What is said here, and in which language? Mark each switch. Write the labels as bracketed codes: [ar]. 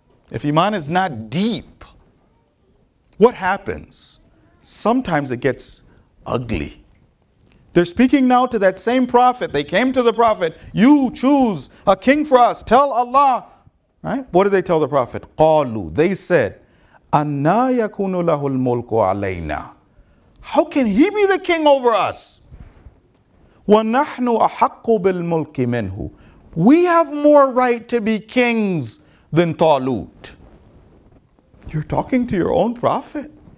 [en] If iman is not deep, what happens? Sometimes it gets ugly. They're speaking now to that same prophet. They came to the prophet. You choose a king for us. Tell Allah. Right? What did they tell the prophet? [ar] قَالُوا. [en] They said, [ar] أَنَّا يَكُونُ لَهُ الْمُلْكُ عَلَيْنَا. [en] How can he be the king over us? [ar] وَنَحْنُ أَحَقُّ بِالْمُلْكِ مِنْهُ. [en] We have more right to be kings than Talut. You're talking to your own prophet.